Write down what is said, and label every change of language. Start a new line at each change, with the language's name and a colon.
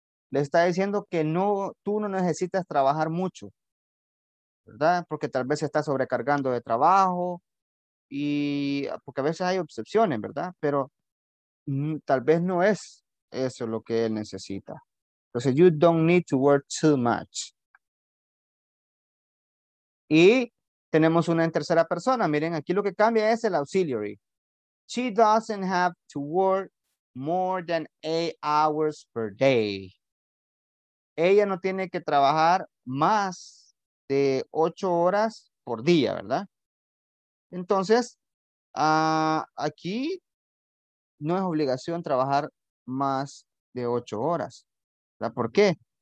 Spanish: Le está diciendo que no, tú no necesitas trabajar mucho, ¿verdad? Porque tal vez se está sobrecargando de trabajo y porque a veces hay obsesiones, ¿verdad? Pero tal vez no es eso lo que él necesita. Entonces,
English: you don't need to work too much.
Spanish: Y tenemos una en tercera persona. Miren, aquí lo que cambia es el auxiliary.
English: She doesn't have to work more than 8 hours per day.
Spanish: Ella no tiene que trabajar más de 8 horas por día, ¿verdad? Entonces, aquí no es obligación trabajar más de 8 horas. ¿Por qué?